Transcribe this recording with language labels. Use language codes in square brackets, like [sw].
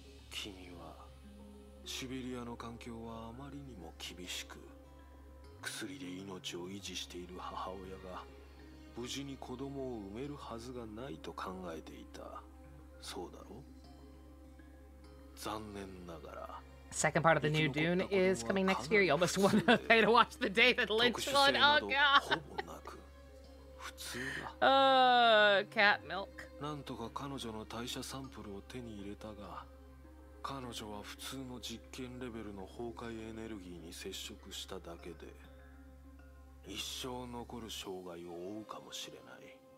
[ja] 君はシベリアの環境はあまりにも厳しく、薬で命を維持している母親が無事に子供を産めるはずがないと考えていた。そうだろう。残念ながら、 [en] Second part of the new Dune is coming next year. You almost want to pay to watch the David Lynch one. Oh god. cat milk. [ja] なんとか彼女の代謝サンプルを手に入れたが、彼女は普通の実験レベルの崩壊エネルギーに接触しただけで、一生残る障害を負うかもしれない。